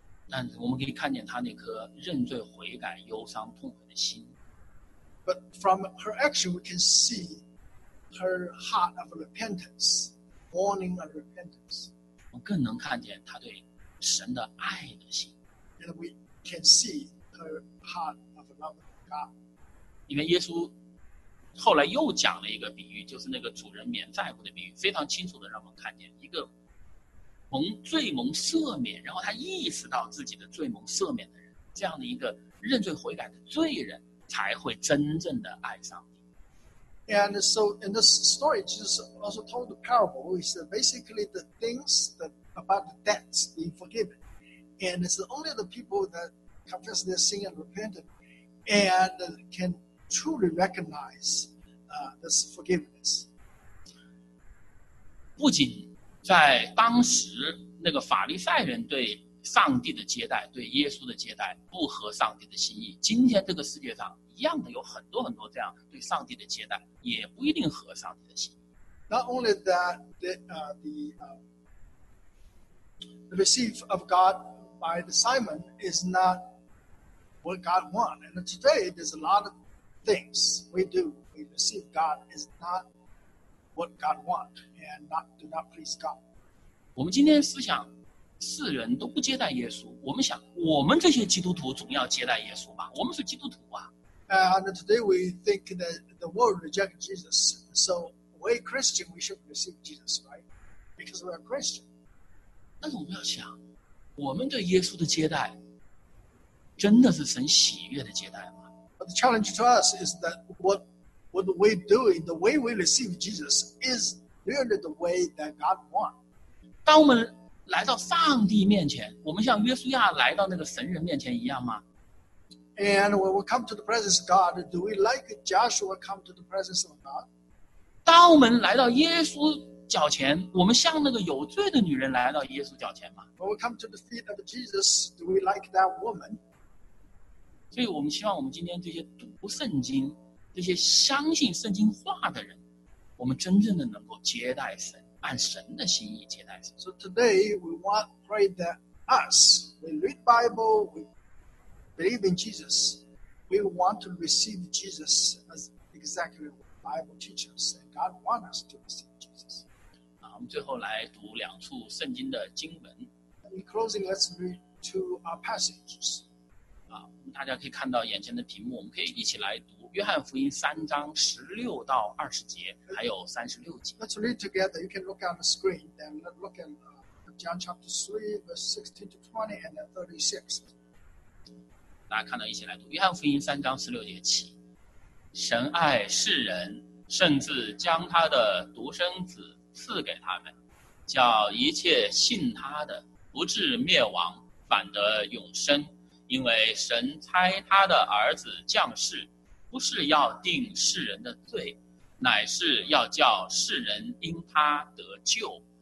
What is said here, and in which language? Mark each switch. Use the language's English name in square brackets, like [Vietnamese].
[Chinese] 但是我们可以看见他那颗认罪悔改忧伤痛悔的心。 [English] But from her action, we can see her heart of repentance, mourning of repentance. [Chinese] 我更能看见他对神的爱的心。 [English] And we can see her heart of love of God. [Chinese] 因为耶稣后来又讲了一个比喻，就是那个主人免债务的比喻，非常清楚的让我们看见一个。蒙罪蒙赦免，然后他意识到自己的罪蒙赦免的人，这样的一个认罪悔改的罪人，才会真正的爱上你。 [English] And so in this story, Jesus also told the parable. He said basically the things that about the debts being forgiven, and it's only the people that confess their sin and repent and can truly recognize this forgiveness. [Chinese] 不仅在当时那个法利赛人对上帝的接待对耶稣的接待不合上帝的心意，今天这个世界上一样的有很多很多这样对上帝的接待也不一定合上帝的心意。 [English] Not only that the receive of God by the Simon is not what God wants, and today there's a lot of things we do, we receive God is notWhat God wants and do not please God. [Chinese] 我们今天思想，世人都不接待耶稣。我们想，我们这些基督徒总要接待耶稣吧？我们是基督徒啊。 [English] And today we think that the world rejects Jesus, so we Christian we should receive Jesus, right? Because we are Christian. [Chinese] 但是我们要想，我们对耶稣的接待真的是神喜悦的接待吗？ [English] But the challenge to us is that what we do, the way we receive Jesus, is really the way that God wants. [Chinese] 当我们来到上帝面前，我们像约书亚来到那个神人面前一样吗？ [English] And when we come to the presence of God, do we like Joshua come to the presence of God? [Chinese] 当我们来到耶稣脚前，我们像那个有罪的女人来到耶稣脚前吗？ [English] When we come to the feet of Jesus, do we like that woman? [Chinese] 所以我们希望我们今天这些读圣经，这些相信圣经话的人，我们真正的能够接待神，按神的心意接待神。 [English] So today we want to pray that us, we read Bible, we believe in Jesus, we want to receive Jesus as exactly what the Bible teaches us, and God wants us to receive Jesus. [Chinese] 我们最后来读两处圣经的经文。 [English] In closing, let's read two our passages. [Chinese] 大家可以看到眼前的屏幕，我们可以一起来读约翰福音三章十六到二十节，还有三十六节。 [English] Let's read together. You can look on the screen, then look at John chapter 3, verse 16 to 20, and then 36. [Chinese] 大家看到一起来读约翰福音三章十六节起。神爱世人，甚至将他的独生子赐给他们，叫一切信他的不至灭亡，反得永生。因为神差他的儿子降世，不是要定世人的罪，乃是要叫世人因他得救。